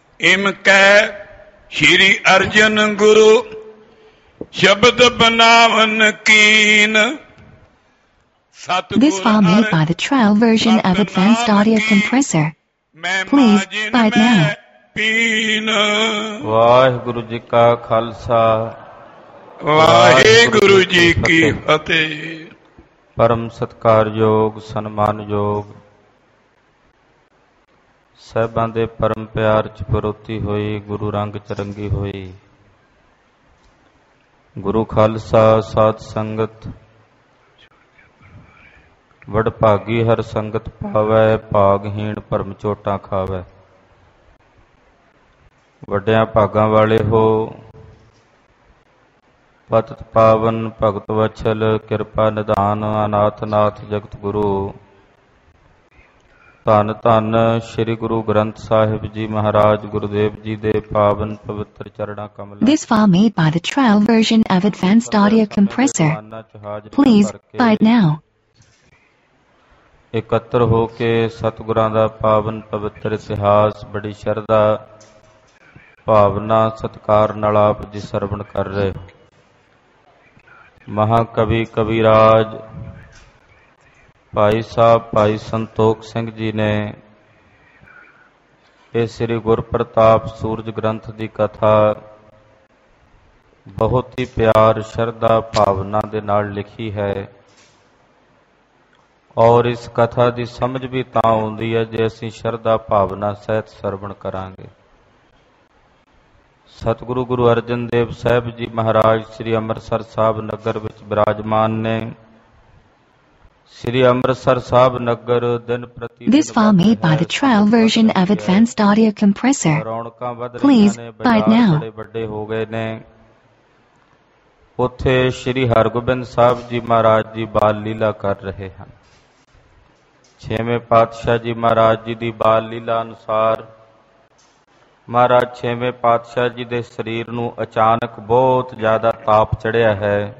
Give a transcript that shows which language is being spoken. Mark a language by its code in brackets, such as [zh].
[pa] ਇਮ ਕੈ ਸ੍ਰੀ ਅਰਜਨ ਗੁਰੂ ਸ਼ਬਦ ਬਨਾਵਨ ਕੀਨ [en] This file made by the trial version of Advanced Audio Compressor. Please buy it now. [pa] Waheguru ji ਕਾ ਖਾਲਸਾ ਵਾਹਿਗੁਰੂ ਜੀ ਕੀ ਫਤਿਹ ਪਰਮ ਸਤਿਕਾਰਯੋਗ ਸਨਮਾਨਯੋਗ ਸਾਹਿਬਾਂ ਦੇ ਪਰਮ ਪਿਆਰ ਚ ਪਰੋਤੀ ਹੋਈ ਗੁਰੂ ਰੰਗ ਚਰੰਗੀ ਹੋਈ ਗੁਰੂ ਖਾਲਸਾ ਸਾਧ ਸੰਗਤ ਵਡਭਾਗੀ ਹਰ ਸੰਗਤ ਪਾਵੈ ਭਾਗਹੀਣ ਭਰਮ ਝੋਟਾਂ ਖਾਵੈ ਵੱਡਿਆਂ ਭਾਗਾਂ ਵਾਲੇ ਹੋ ਪਤਿਤ ਪਾਵਨ ਭਗਤ ਵਛਲ ਕਿਰਪਾ ਨਿਧਾਨ ਅਨਾਥ ਨਾਥ ਜਗਤ ਗੁਰੂ ਧੰਨ ਧੰਨ ਸ੍ਰੀ ਗੁਰੂ ਗ੍ਰੰਥ ਸਾਹਿਬ ਜੀ ਮਹਾਰਾਜ ਗੁਰਦੇਵ ਜੀ ਦੇ ਪਾਵਨ ਪਵਿੱਤਰ ਚਰਣਾ ਕਮਲ [en] This file made by the trial version of Advanced Audio Compressor. Please buy it now. [pa] ਇਕੱਤਰ ਹੋ ਕੇ ਸਤਿਗੁਰਾਂ ਦਾ ਪਾਵਨ ਪਵਿੱਤਰ ਇਤਿਹਾਸ ਬੜੀ ਸ਼ਰਧਾ ਭਾਵਨਾ ਸਤਿਕਾਰ ਨਾਲ ਆਪ ਜੀ ਸਰਵਣ ਕਰ ਰਹੇ ਹੋ ਮਹਾਕਵੀ ਕਵੀਰਾਜ ਭਾਈ ਸਾਹਿਬ ਭਾਈ ਸੰਤੋਖ ਸਿੰਘ ਜੀ ਨੇ ਇਹ ਸ੍ਰੀ ਗੁਰਪ੍ਰਤਾਪ ਸੂਰਜ ਗ੍ਰੰਥ ਦੀ ਕਥਾ ਬਹੁਤ ਹੀ ਪਿਆਰ ਸ਼ਰਧਾ ਭਾਵਨਾ ਦੇ ਨਾਲ ਲਿਖੀ ਹੈ ਔਰ ਇਸ ਕਥਾ ਦੀ ਸਮਝ ਵੀ ਤਾਂ ਆਉਂਦੀ ਹੈ ਜੇ ਅਸੀਂ ਸ਼ਰਧਾ ਭਾਵਨਾ ਸਹਿਤ ਸਰਵਣ ਕਰਾਂਗੇ ਸਤਿਗੁਰੂ ਗੁਰੂ ਅਰਜਨ ਦੇਵ ਸਾਹਿਬ ਜੀ ਮਹਾਰਾਜ ਸ੍ਰੀ ਅੰਮ੍ਰਿਤਸਰ ਸਾਹਿਬ ਨਗਰ ਵਿੱਚ ਬਿਰਾਜਮਾਨ ਨੇ ਸ੍ਰੀ ਅੰਮ੍ਰਿਤਸਰ ਸਾਹਿਬ ਨਗਰ ਦਿਨ ਪ੍ਰਤੀ [en] This file made by the trial version of Advanced Audio Compressor. [pa] ਰੌਣਕਾਂ ਵੱਧ ਰਹੀਆਂ ਨੇ ਬੜੇ ਵੱਡੇ ਹੋ ਗਏ ਨੇ ਉੱਥੇ ਸ੍ਰੀ ਹਰਗੋਬਿੰਦ ਸਾਹਿਬ ਜੀ ਮਹਾਰਾਜ ਦੀ ਬਾਲ ਲੀਲਾ ਕਰ ਰਹੇ ਹਨ ਛੇਵੇਂ ਪਾਤਸ਼ਾਹ ਜੀ ਮਹਾਰਾਜ ਜੀ ਦੀ ਬਾਲ ਲੀਲਾ ਅਨੁਸਾਰ ਮਹਾਰਾਜ ਛੇਵੇਂ ਪਾਤਸ਼ਾਹ ਜੀ ਦੇ ਸਰੀਰ ਨੂੰ ਅਚਾਨਕ ਬਹੁਤ ਜ਼ਿਆਦਾ ਤਾਪ ਚੜਿਆ ਹੈ